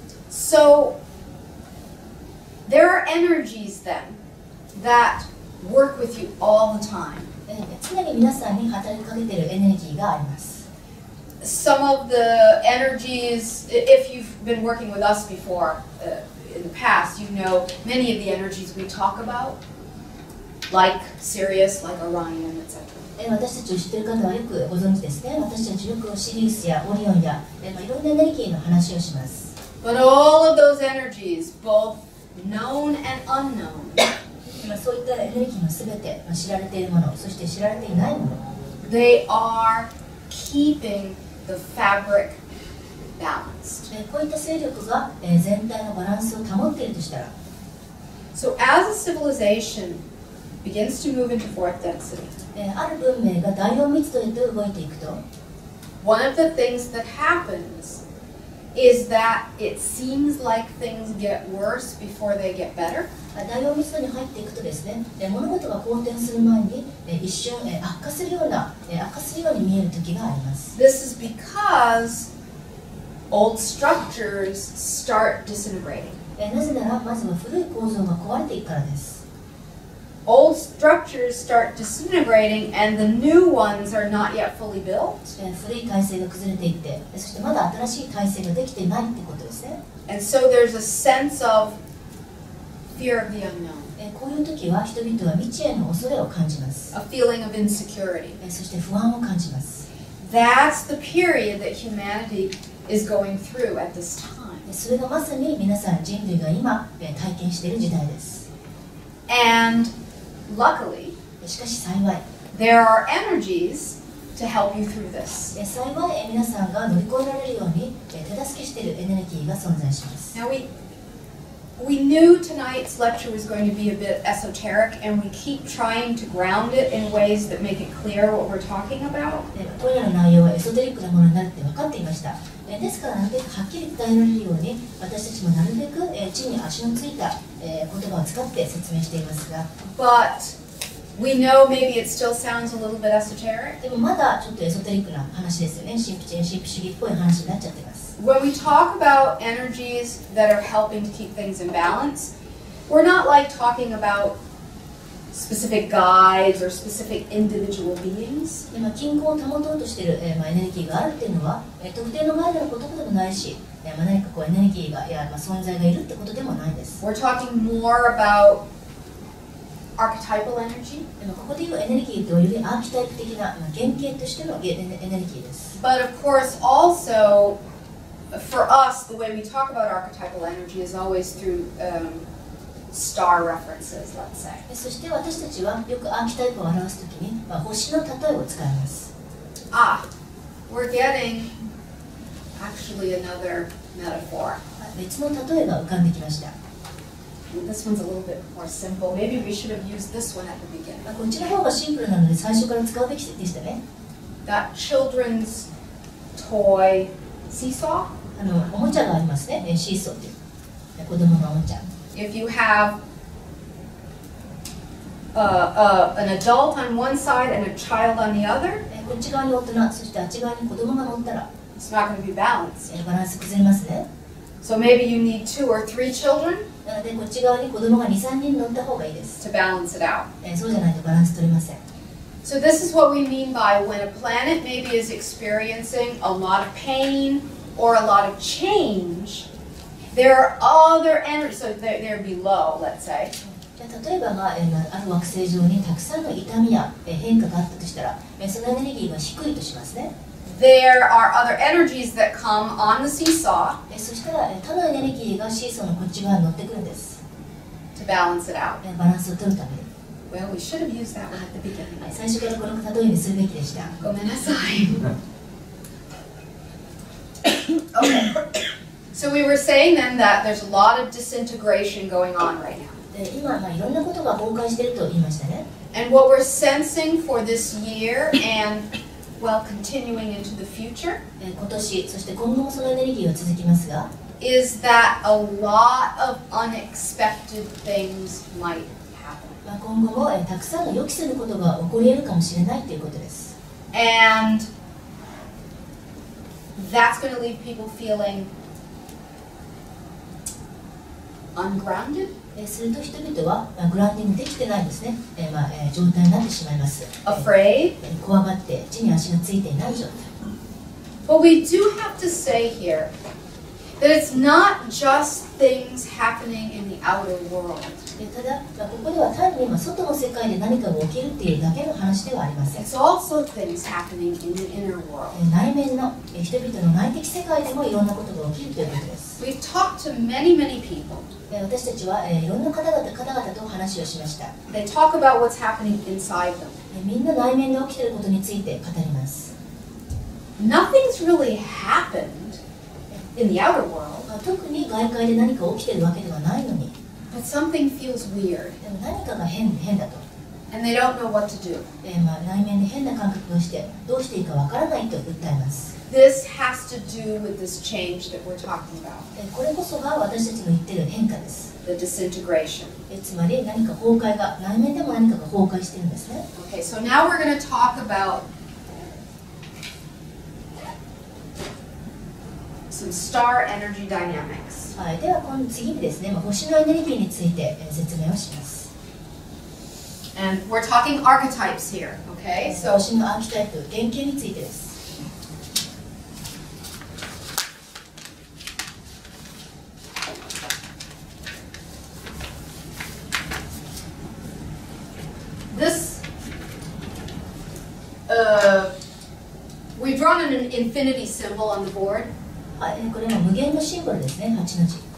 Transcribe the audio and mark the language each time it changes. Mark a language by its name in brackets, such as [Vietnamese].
[English] So there are energies then that work with you all the time. [Japanese] 常に皆さんに働きかけているエネルギーがあります。 [English] Some of the energies, if you've been working with us before, in the past, you know many of the energies we talk about, like Sirius, like Orion, etc. [Japanese] 私たちを知っている方はよくご存知ですね。私たちはよくシリウスやオリオンや、いろんなエネルギーの話をします。 [English] But all of those energies, both known and unknown, [Japanese] そういったエネルギーのすべて、知られているもの、そして知られていないもの。 [English] They are keeping the fabric balanced. [Japanese] こういった勢力が全体のバランスを保っているとしたら、 [English] So as a civilization begins to move into fourth density, [Japanese] ある文明が第四密度へと動いていくと、 [English] One of the things that happens is that it seems like things get worse before they get better. [Japanese] 第四密度に入っていくとですね、物事が好転する前に一瞬悪化するような悪化するように見える時があります。 [English] This is because old structures start disintegrating. [Japanese] なぜならまずは古い構造が壊れていくからです。 [English] Old structures start disintegrating and the new ones are not yet fully built. [Japanese] 古い体制が崩れていって、そしてまだ新しい体制ができていないってことですね。 [English] And so there's a sense of fear of the unknown. [Japanese] こういう時は人々は未知への恐れを感じます。 [English] A feeling of insecurity. [Japanese] そして不安を感じます。 [English] That's the period that humanity is going through at this time. [Japanese] それがまさに皆さん人類が今体験している時代です。 [English] And luckily, [Japanese] しかし幸い、 [English] there are energies to help you through this. [Japanese] 幸い皆さんが乗り越えられるように手助けしているエネルギーが存在します。 [English] Now we knew tonight's lecture was going to be a bit esoteric, and we keep trying to ground it in ways that make it clear what we're talking about. [Japanese] 今夜の内容はエソテリックなものになって分かっていました。ですから、なるべくはっきり伝えられるように、私たちもなるべく地に足のついた言葉を使って説明していますが。 [English] But we know maybe it still sounds a little bit esoteric. [Japanese] でもまだちょっとエソテリックな話ですよね。神秘的、神秘主義っぽい話になっちゃってます。 [English] When we talk about energies that are helping to keep things in balance, we're not like talking about specific guides or specific individual beings. [Japanese] 今均衡を保とうとしている、エネルギーがあるっていうのは、特定のガイドのことでもないし、何かこうエネルギーが、存在がいるってことでもないです。 [English] We're talking more about archetypal energy. [Japanese] でもここで言うエネルギーというよりアーキタイプ的な、原型としてのエネルギーです。 [English] But of course also,For us, the way we talk about archetypal energy is always through star references, let's say. [Japanese] そして私たちはよくアーキタイプを表すときに、まあ、星の例えを使います。 [English] Ah, we're getting actually another metaphor. [Japanese] 別の例えが浮かんできました。 [English] This one's a little bit more simple. Maybe we should have used this one at the beginning. [Japanese] こちらの方がシンプルなので最初から使うべきでしたね。 [English] That children's toy seesaw? [Japanese] あのおもちゃがありますね。ね、シーソーっていう。子供のおもちゃ。 [English] If you have an adult on one side and a child on the other, [Japanese] こっち側に大人、そしてあっち側に子供が乗ったら、 [English] it's not going to be balanced. [Japanese] バランス崩れますね。 [English] So maybe you need two or three children. [Japanese] なのでこっち側に子供が 2,3 人乗った方がいいです。 [English] To balance it out. [Japanese] そうじゃないとバランス取れません。 [English] So this is what we mean by when a planet maybe is experiencing a lot of pain or a lot of change, there are other energies, so they're below, let's say. [Japanese] じゃあ例えば、まあ、ある惑星上にたくさんの痛みや変化があったとしたら、そのエネルギーは低いとしますね。 [English] There are other energies that come on the seesaw. [Japanese] そしたら、他のエネルギーがシーソーのこっち側に乗ってくるんです。 [English] To balance it out. [Japanese] バランスを取るために。 [English] Well, we should have used that one at the beginning. [Japanese] 最初からこの例えにするべきでした。ごめんなさい。 [English] Okay. So we were saying then that there's a lot of disintegration going on right now. [Japanese] で、今、まあ、いろんなことが崩壊していると言いましたね。 [English] And what we're sensing for this year and, well, continuing into the future, [Japanese] 今年、そして今後もそのエネルギーは続きますが、 [English] is that a lot of unexpected things might happen. [Japanese] まあ、今後もたくさんの予期せぬことが起こり得るかもしれないということです。 [English] And that's going to leave people feeling ungrounded. [Japanese] すると人々は、まあ、グランディングできてないですね。まあ、状態になってしまいます。 [English] Afraid. [Japanese] 怖がって地に足がついていない状態。 [English] But we do have to say here that it's not just things happening in the outer world. [Japanese] ただ、まあ、ここでは単に今外の世界で何かが起きるっていうだけの話ではありません。 [English] It's also things happening in the inner world. [Japanese] 内面の人々の内的世界でもいろんなことが起きるということです。 [English] We've talked to many, many people. [Japanese] 私たちは、いろんな方々と話をしました。 [English] They talk about what's happening inside them. [Japanese] みんな内面で起きていることについて語ります。 [English] Nothing's really happened in the outer world. [Japanese] 特に外界で何か起きているわけではないのに。 [English] But something feels weird. [Japanese] でも何かが変だと。 [English] And they don't know what to do. [Japanese] まあ、内面で変な感覚をして、どうしていいかわからないと訴えます。 [English] This has to do with this change that we're talking about. [Japanese] これこそが私たちの言ってる変化です。 [English] The disintegration. [Japanese] つまり何か崩壊が、内面でも何かが崩壊してるんですね。 [English] Okay, so now we're going to talk about some star energy dynamics. [Japanese] はい、では今次にですね、まあ、星のエネルギーについて説明をします。 [English] And we're talking archetypes here, okay? [Japanese] So 星のアーキタイプ、原型についてです。 [English] This, we've drawn an infinity symbol on the board. [Japanese] これも無限のシンボルですね、8の字。